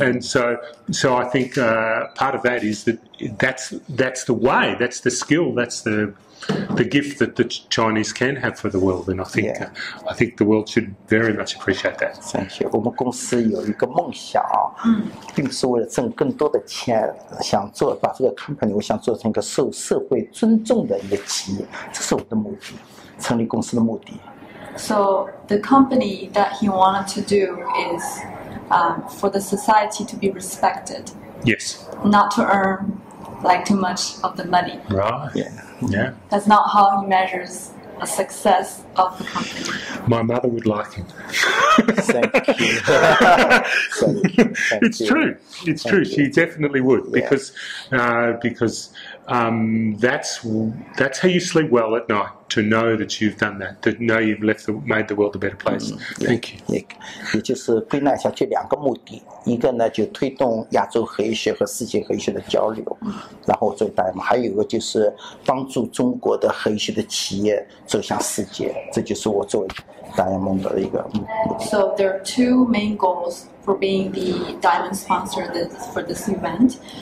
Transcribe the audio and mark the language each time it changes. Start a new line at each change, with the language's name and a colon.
English: And so I think part of that is that's the way, that's the skill, that's the gift that the Chinese can have for the world. And I think yeah. I think the world should very much appreciate that. Thank you.
Chinese: 并不是为了挣更多的钱，想做把这个company，我想做成一个受社会尊重的一个企业，这是我的目的，成立公司的目的。
English: So the company that he wanted to do is for the society to be respected. Yes. Not to earn like too much of the money. Right. Yeah. Yeah. That's not how he measures a success of the company. My mother would like him. Thank you. It's true. You. She definitely would yeah. because that's how you sleep well at night, to know that you've done that, to know you've made the world a better place. Thank you.
Chinese: 也就是归纳一下这两个目的，一个呢就推动亚洲和医学和世界和医学的交流，然后作为大联盟，还有一个就是帮助中国的和医学的企业走向世界，这就是我作为大联盟的一个目的。So
English: there are two main goals for being the diamond sponsor for this event.